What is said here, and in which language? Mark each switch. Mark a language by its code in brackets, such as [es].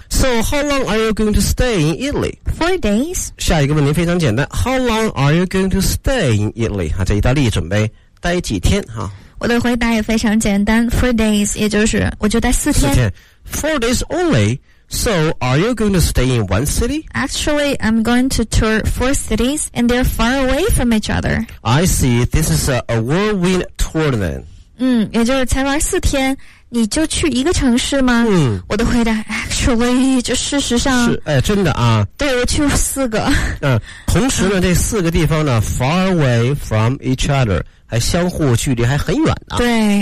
[en] So how long are you going to stay in Italy? 4 days [zh] 下一个问题非常简单 [en] How long are you going to stay in Italy? [zh] 啊，在意大利准备待几天哈。我的回答也非常简单 4 days 也就是我就待四天 [en] 4 days only So are you going to stay in one city? Actually I'm going to tour 4 cities And they're far away from each other I see This is a whirlwind tour then [zh] 嗯也就是才玩四天你就去一个城市吗嗯我的回答 Actually 就事实上是哎真的啊对我去4个同时呢这四个地方呢 [en] Far away from each other [zh] 还相互距离还很远呢、对